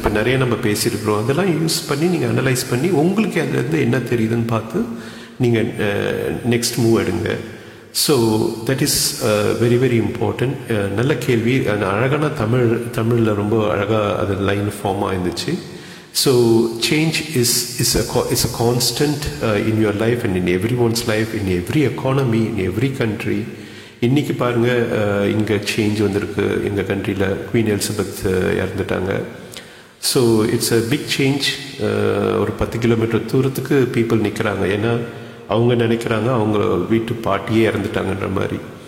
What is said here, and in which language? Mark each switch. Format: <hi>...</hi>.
<ta>இப்போ நிறைய நம்ம பேசியிருக்கிறோம், அதெல்லாம் யூஸ் பண்ணி நீங்கள் அனலைஸ் பண்ணி உங்களுக்கு அதுலேருந்து என்ன தெரியுதுன்னு பார்த்து நீங்கள் நெக்ஸ்ட் மூவ் எடுங்க.</ta> <en>So that is very very important.</en> <ta>நல்ல கேள்வி, அழகான தமிழில் ரொம்ப அழகாக அது line form ஆயிருந்துச்சு.</ta> <en>So change is a constant in your life and in everyone's life, in every economy, in every country.</en> <ta>இன்னைக்கு பாருங்க இங்கே சேஞ்ச் வந்திருக்கு எங்கள் கண்ட்ரியில், குவீன் எலிசபெத் இறந்துட்டாங்க.</ta> <en>So it's a big change.</en> <ta>ஒரு 10 கிலோமீட்டர் தூரத்துக்கு பீப்புள் நிற்கிறாங்க, ஏன்னா அவங்க நினைக்கிறாங்க அவங்க வீட்டு பாட்டியே இறந்துட்டாங்கன்ற மாதிரி.</ta>